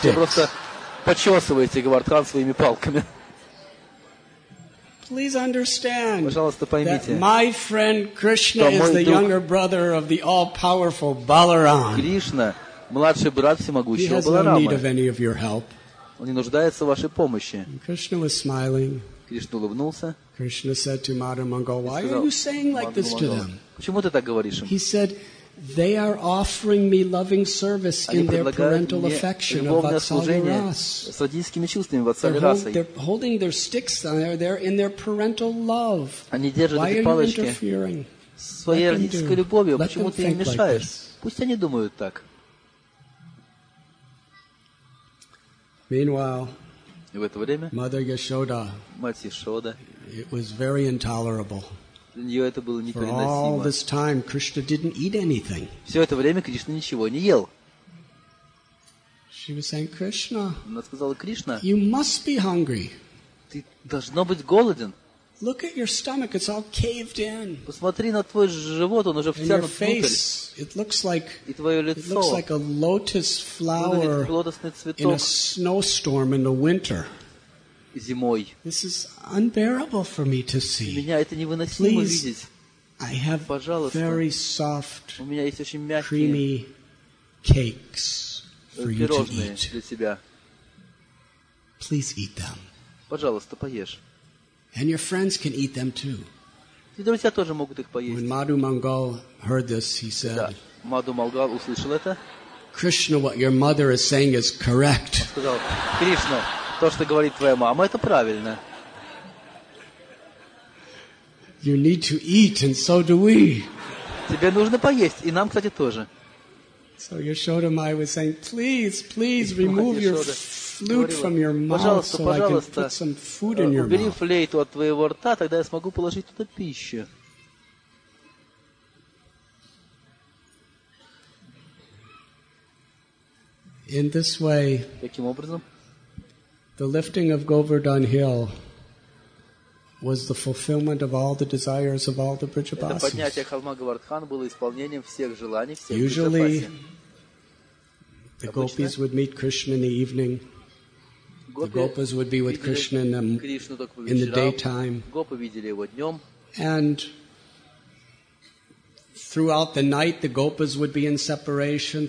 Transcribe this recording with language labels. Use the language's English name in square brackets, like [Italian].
[Russian] Вы просто почесываете Гвардхан своими палками. [English] Please understand. [Russian] Пожалуйста, поймите. [English] My friend Krishna is the younger brother of the all-powerful Balaram. [Russian] Кришна, младший брат всемогущего Баларама. [English] He has no need of any of your help. [Russian] Он не нуждается в вашей помощи. [English] Krishna was smiling. [Russian] Кришна улыбнулся. [English] Krishna said to Мадхумангал, "Why are you saying like this to them?" [Russian] Почему ты так говоришь им? [English] He said, "They are offering me loving service in their parental affection of Vatsalya Rasa. They're holding their sticks on there. They're in their parental love. Why are you interfering? Let them think like this. [Russian] Пусть они думают так." [English] Meanwhile, [Russian] в это время, [English] Mother Yashoda, [Russian] мать Яшода, [English] it was very intolerable. For all this time, Krishna didn't eat anything. [Russian] Все это время Кришна ничего не ел. [English] She was saying, "Krishna, [Russian] она сказала, Кришна, [English] you must be hungry. [Russian] Ты должно быть голоден. [English] Look at your stomach; it's all caved in. [Russian] Посмотри на твой живот; он уже втянут внутрь. [English] And your face, it looks like it looks like a lotus flower in a snowstorm in the winter." [Russian] Зимой. [English] This is unbearable for me to see. [Russian] Меня это невыносимо [English] Please, [Russian] видеть. [English] I have [Russian] Пожалуйста. [English] Very soft, [Russian] У меня есть очень мягкие, [English] creamy cakes for you to eat. [Russian] Для тебя. [English] Please eat them. [Russian] Пожалуйста, поешь. [English] And your friends can eat them too. [Russian] И друзья тоже могут их поесть. [English] When Мадхумангал heard this, he said, [Russian] да. Мадхумангал услышал это. [English] Krishna, what your mother is saying is correct. [Russian] Он сказал, Кришна. То, что говорит твоя мама, это правильно. [English] You need to eat, and so do we. [Russian] Тебе нужно поесть, и нам, кстати, тоже. [English] So Yashoda Mai was saying, please, please remove your flute from your mouth, so I can put some food in your mouth. [Russian] Убери флейту от твоего рта, тогда я смогу положить туда пищу. [English] In this way. [Russian] Таким образом. [English] The lifting of Govardhan Hill was the fulfillment of all the desires of all the Brijabasis. [Russian] Это поднятие холма Говардхан было исполнением всех желаний всех [English] Usually, the gopis would meet Krishna in the evening. The gopas would be with Krishna in the daytime. [Russian] Гопы видели его днём. [English] And throughout the night, the gopas would be in separation.